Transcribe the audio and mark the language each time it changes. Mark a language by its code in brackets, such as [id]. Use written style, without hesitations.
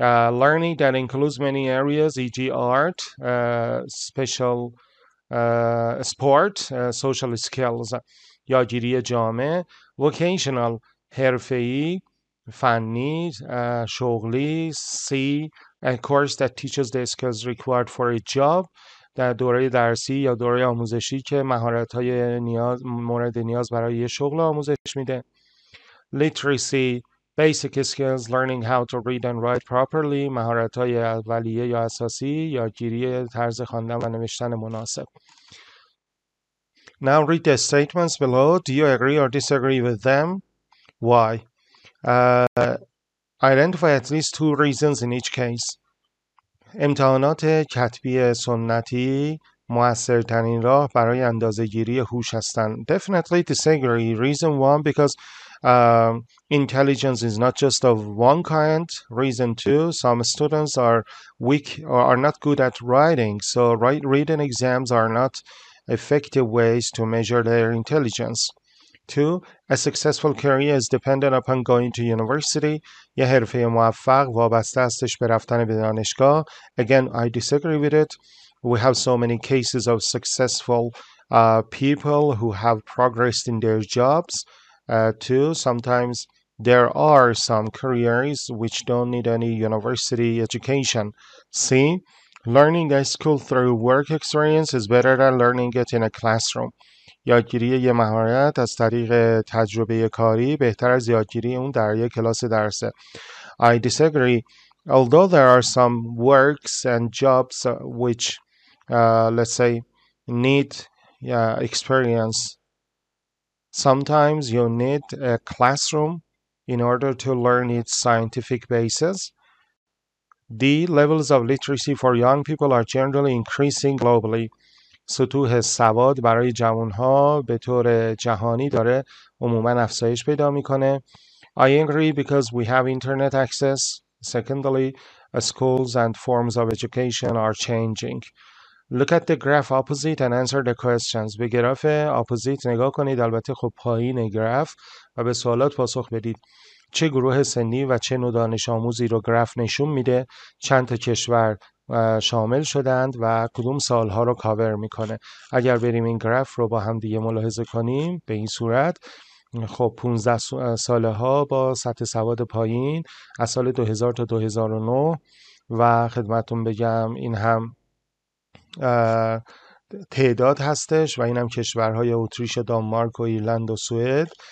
[en] Learning that includes many areas, e.g. art, special sport, social skills, [fa] یادگیری جامع. Vocational, حرفه‌ای، فنی، شغلی. [en] سی، a course that teaches the skills required for a job. [fa] در دوره درسی یا دوره آموزشی که مهارت‌های نیاز مورد نیاز برای یه شغل آموزش میده. [en] Literacy, basic skills, learning how to read and write properly. [fa] مهارت‌های اولیه یا اساسی، یادگیری طرز خواندن و نوشتن مناسب. [en] Now read the statements below. Do you agree or disagree with them? Why? Identify at least two reasons in each case. [fa] امتحانات کتبی سنتی موثرترین راه برای اندازه‌گیری هوش هستند. [en] Definitely disagree. Reason one, because intelligence is not just of one kind. Reason two, some students are weak or are not good at writing. So written exams are not effective ways to measure their intelligence. Two, a successful career is dependent upon going to university. [fa] یه حرفه موفق وابسته استش به رفتن به دانشگاه. [en] Again, I disagree with it. We have so many cases of successful people who have progressed in their jobs. Two, sometimes there are some careers which don't need any university education. Three, learning at school through work experience is better than learning it in a classroom. [fa] یادگیری یه مهارت از طریق تجربه کاری بهتر از یادگیری اون در یک کلاس درسه. [en] I disagree. Although there are some works and jobs which, let's say, need experience, sometimes you need a classroom in order to learn its scientific basis. The levels of literacy for young people are generally increasing globally. [fa] سطوح سواد برای جوان ها به طور جهانی داره عموما افزایش پیدا میکنه. [en] I agree because we have internet access. Secondly, schools and forms of education are changing. Look at the graph opposite and answer the questions. [fa] به گراف اپوزیت نگاه کنید، البته خب پایین گراف، و به سوالات پاسخ بدید. چه گروه سنی و چه نوع دانش آموزی رو گراف نشون میده؟ چند تا کشور شامل شدند و کدوم سالها رو کاور میکنه؟ اگر بریم این گراف رو با هم دیگه ملاحظه کنیم، به این صورت خب 15 ساله ها با سطح سواد پایین از سال 2000 تا 2009، و خدمتون بگم این هم تعداد هستش و این هم کشورهای اتریش، دانمارک و ایرلند و سوئد.